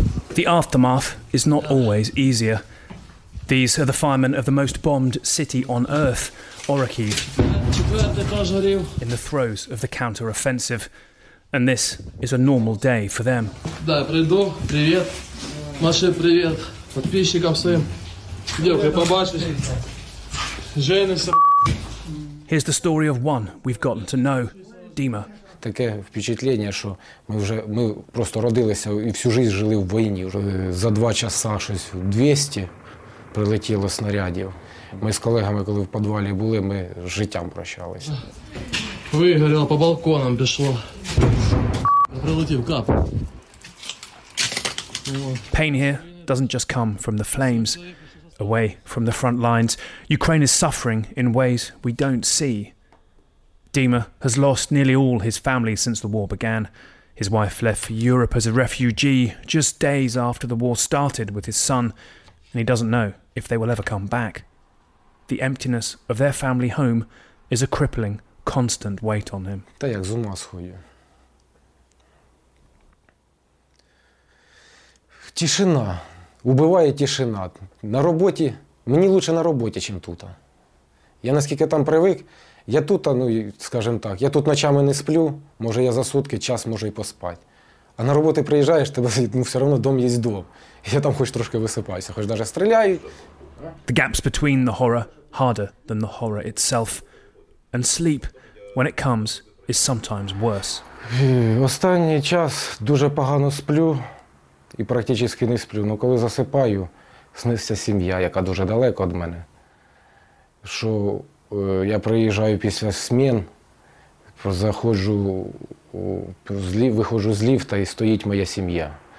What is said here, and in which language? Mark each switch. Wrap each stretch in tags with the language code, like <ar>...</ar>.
<en>The aftermath is not always easier. These are the firemen of the most bombed city on earth, Orkiv, in the throes of the counter-offensive. And this is a normal day for them. Here's the story of one we've gotten to know, Dima.</en> <uk>Таке впечатлення, що ми просто родилися і всю життя жили в війні. Вже за два часа щось 200 прилетіло снарядів. Ми з колегами, коли в підвалі були, ми з життям прощалися. Вигоріло по балконам, пішло. Прилетів кап.</uk> <en>Pain here doesn't just come from the flames. Away from the front lines, Ukraine is suffering in ways we don't see. Dima has lost nearly all his family since the war began. His wife left for Europe as a refugee just days after the war started with his son, and he doesn't know if they will ever come back. The emptiness of their family home is a crippling, constant weight on him.</en> <uk>Тишина. Убиває тишина. На роботі мені лучше на роботі, чим тут. Я наскільки там привик, я тут, ну, скажімо так, я тут ночами не сплю, може я за сутки час можу і поспати. А на роботу приїжджаєш, тебе, ну, все одно дом є дом. Я там хоч трошки висипаюся, хоч навіть стріляю.</uk> <en>The gaps between the horror harder than the horror itself. And sleep, when it comes, is sometimes worse.</en> <uk>Останній час дуже погано сплю. І практично не сплю, але коли засипаю, сниться сім'я, яка дуже далеко від мене. Що я приїжджаю після смін, заходжу, виходжу з ліфта і стоїть моя сім'я.</uk>